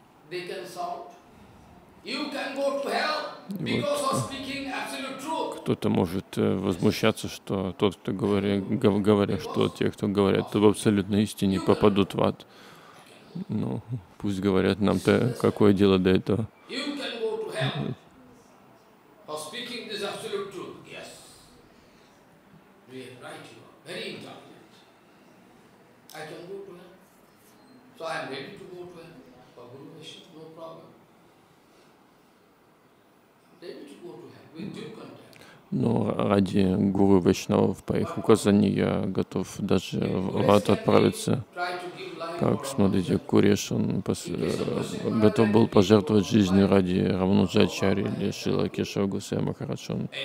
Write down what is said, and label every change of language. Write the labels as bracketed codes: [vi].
[ru] Вот, кто-то может возмущаться, что тот, кто говорит, что те, кто говорят об абсолютной истине, попадут в ад. Ну, пусть говорят, нам-то какое дело до этого? [en] You can go to hell for speaking this absolute truth. Yes, we are right. You are very intelligent. I can go to hell, so I am ready to go to hell for Guru Vaishnava. No problem. Ready to go to hell with due content. [ru] Но ради Гуру Вайшнавов, по их указанию, я готов даже в ад отправиться. Как, смотрите, Куреш, он готов был пожертвовать жизнью ради Рамануджачари или Шрилы Кешава Госвами Махараджа.